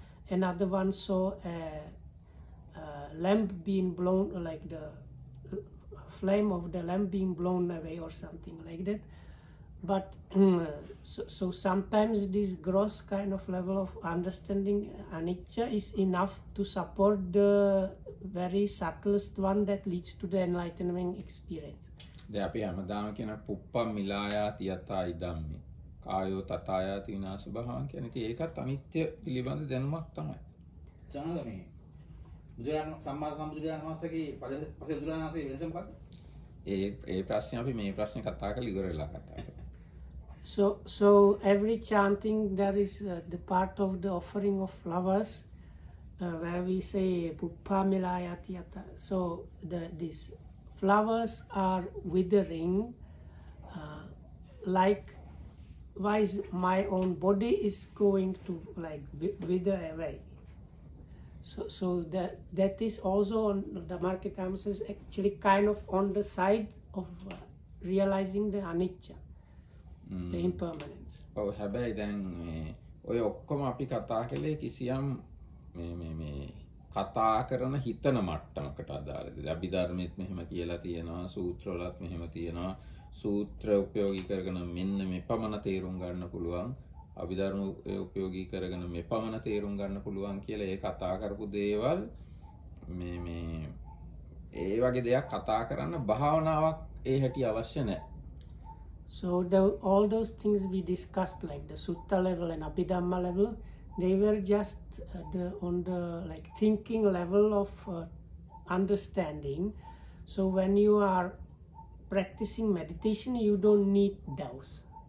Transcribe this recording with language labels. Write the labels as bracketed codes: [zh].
[en] Another one saw a lamp being blown, like the flame of the lamp being blown away or something like that. But so sometimes this gross kind of level of understanding anicca is enough to support the very subtlest one that leads to the enlightening experience. [si] De api hamadama kiyana puppa milaya tiyata idamme [pi] කායෝ තථායති විනාශ භවං [si] කියන එක ඒකත් අනිත්‍ය පිළිබඳ දැනුමක් තමයි. සනද මේ බුදුරජාණන් සම්මා සම්බුදුරජාණන් වහන්සේගේ පසේ බුදුරජාණන් වහන්සේ වෙනස මොකක්ද? ඒ ප්‍රශ්නේ අපි මේ ප්‍රශ්නේ කතා කරලා ඉවර වෙලා කතා කරමු. [en] So every chanting there is the part of the offering of flowers where we say [pi] puppa milayati yata. [en] So these flowers are withering like why is my own body is going to like wither away. So that is also on the Dhammakaya says actually kind of on the side of realizing the anicca, the impermanence. [si] Oh, හැබැයි දැන් මේ ඔය ඔක්කොම අපි කතා කළේ කිසියම් මේ කතා කරන හිතන මට්ටමකට අදාළද? අභිධර්මෙත් මෙහෙම කියලා තියෙනවා, සූත්‍රවලත් මෙහෙම තියෙනවා. සූත්‍ර උපයෝගී කරගෙන මෙන්න මේ පමණ තේරුම් ගන්න පුළුවන්, අභිධර්ම උපයෝගී කරගෙන මේ පමණ තේරුම් ගන්න පුළුවන් කියලා ඒ කතා කරපු දේවල් මේ ඒ වගේ දෙයක් කතා කරන්න භාවනාවක් ඒ හැටි අවශ්‍ය නැහැ. [en] So the all those things we discussed like the sutta level and abhidhamma level, they were just the on the like thinking level of understanding. So when you are practicing meditation, you don't need doubts.